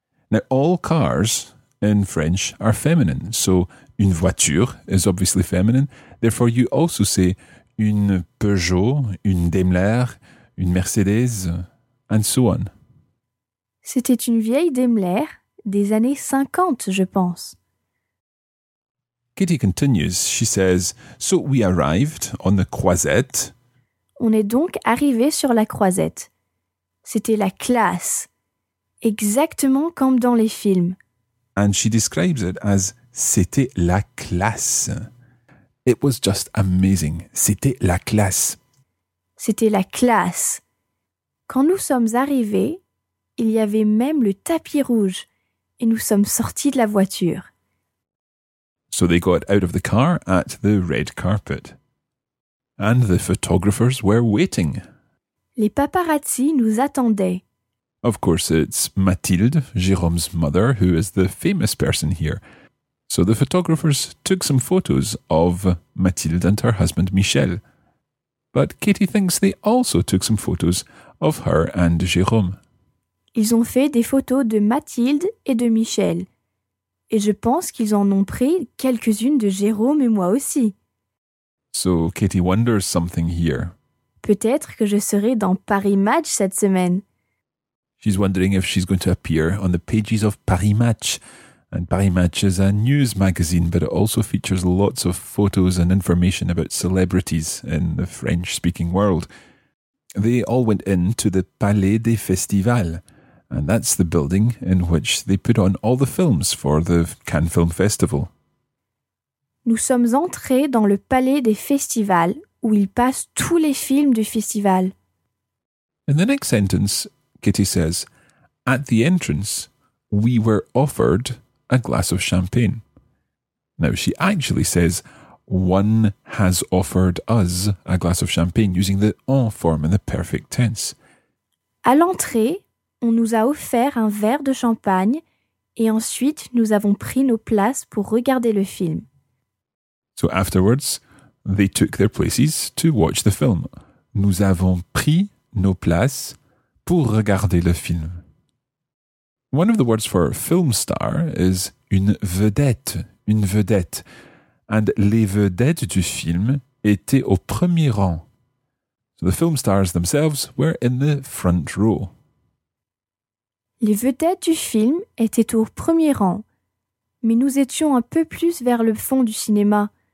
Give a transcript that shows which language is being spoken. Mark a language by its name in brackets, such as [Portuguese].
[English] Now, all cars in French are feminine, so [French] une voiture [English] is obviously feminine. Therefore, you also say une Peugeot, une Daimler, une Mercedes, and so on. [French] C'était une vieille Daimler des années 50, je pense. [English] Kitty continues. She says, so we arrived on the Croisette. [French] On est donc arrivé sur la Croisette. C'était la classe. Exactement comme dans les films. [English] And she describes it as [French] c'était la classe. [English] It was just amazing. [French] C'était la classe. C'était la classe. Quand nous sommes arrivés, il y avait même le tapis rouge et nous sommes sortis de la voiture. [English] So they got out of the car at the red carpet. And the photographers were waiting. [French] Les paparazzi nous attendaient. [English] Of course, it's Mathilde, Jérôme's mother, who is the famous person here. So the photographers took some photos of Mathilde and her husband Michel. But Katie thinks they also took some photos of her and Jérôme. [French] Ils ont fait des photos de Mathilde et de Michel. Et je pense qu'ils en ont pris quelques-unes de Jérôme et moi aussi. [English] So, Katie wonders something here. [French] Peut-être que je serai dans Paris Match cette semaine. [English] She's wondering if she's going to appear on the pages of Paris Match. And Paris Match is a news magazine, but it also features lots of photos and information about celebrities in the French-speaking world. They all went into the Palais des Festivals. And that's the building in which they put on all the films for the Cannes Film Festival. [French] Nous sommes entrés dans le Palais des Festivals, où ils passent tous les films du festival. [English] In the next sentence, Kitty says, at the entrance, we were offered a glass of champagne. Now, she actually says, one has offered us a glass of champagne, using the en form in the perfect tense. [French] À l'entrée, on nous a offert un verre de champagne et ensuite nous avons pris nos places pour regarder le film. [English] So afterwards, they took their places to watch the film. [French] Nous avons pris nos places pour regarder le film. [English] One of the words for film star is [French] une vedette, une vedette. And les vedettes du film étaient au premier rang. [English] So the film stars themselves were in the front row. [French] Les vedettes du film étaient au premier rang, mais nous étions un peu plus vers le fond du cinéma.